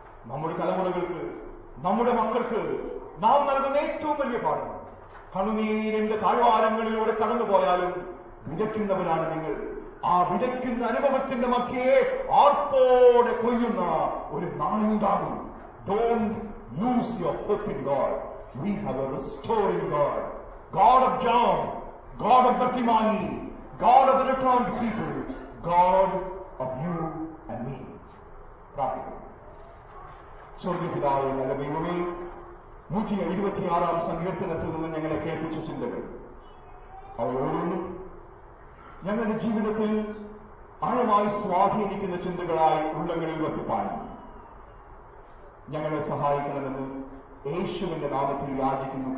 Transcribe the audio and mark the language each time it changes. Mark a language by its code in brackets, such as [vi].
[ml] നമ്മുടെ തലമുറകൾക്ക്, നമ്മുടെ മക്കൾക്ക് നാം നൽകുന്ന ഏറ്റവും വലിയ പാഠം, കണ്ണുനീരിന്റെ താഴ്വാരങ്ങളിലൂടെ കടന്നുപോയാലും വിതയ്ക്കുന്നവരാണ് നിങ്ങൾ. ആ വിതയ്ക്കുന്ന അനുഭവത്തിന്റെ മധ്യയെ ആർപ്പോടെ കൊയ്യുന്ന ഒരു നാളുണ്ടാകും. [en] Don't lose your hope in God. We have a restoring God. God of John, God of Bartimani, God of the returned people, God of you and me. [ml] സ്വർഗ്ഗപിതാവ് നല്ല ദൈവമേ, 126-ാം സങ്കീർത്തനത്തിൽ നിന്ന് ഞങ്ങളെ കേൾപ്പിച്ച ചിന്തകൾ അവരോടും ഞങ്ങളുടെ ജീവിതത്തിൽ ആഴമായി സ്വാധീനിക്കുന്ന ചിന്തകളായി ഉള്ളങ്ങളിൽ വസിപ്പാണ് ഞങ്ങളെ സഹായിക്കണമെന്ന് യേശുവിന്റെ നാമത്തിൽ യാചിക്കുന്നു.